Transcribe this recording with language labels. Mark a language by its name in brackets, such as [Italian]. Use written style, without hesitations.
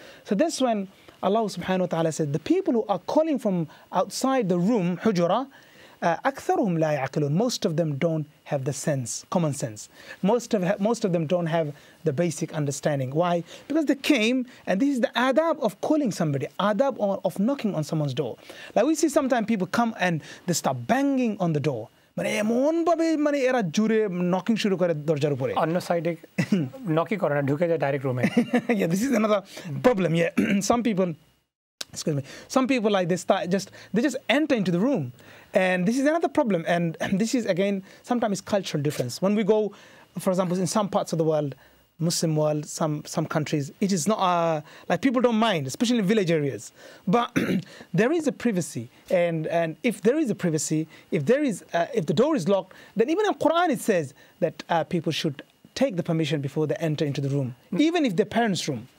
[English] So that's when Allah subhanahu wa ta'ala said, the people who are calling from outside the room, hujura, [Arabic] aktharuhum la ya'qilun, [English] most of them don't have the sense, common sense. Most of them don't have the basic understanding. Why? Because they came, and this is the adab of calling somebody, adab of knocking on someone's door. Like we see sometimes people come and they start banging on the door. [Bangla] মানে এমনভাবে মানে এরা জুড়ে knocking শুরু করে দরজার উপরে, অন্য সাইডে নকিং করে না, ঢুকে যায় ডাইরেক্ট রুমে। [English] Yeah this is another problem, yeah some people like they just enter into the room, and this is another problem, and this is again sometimes cultural difference, when we go for example in some parts of the world Muslim world, some countries, it is not like people don't mind, especially in village areas. But there is a privacy, and if there is a privacy, if there is if the door is locked, then even in Quran it says that people should take the permission before they enter into the room, even if their parents' room.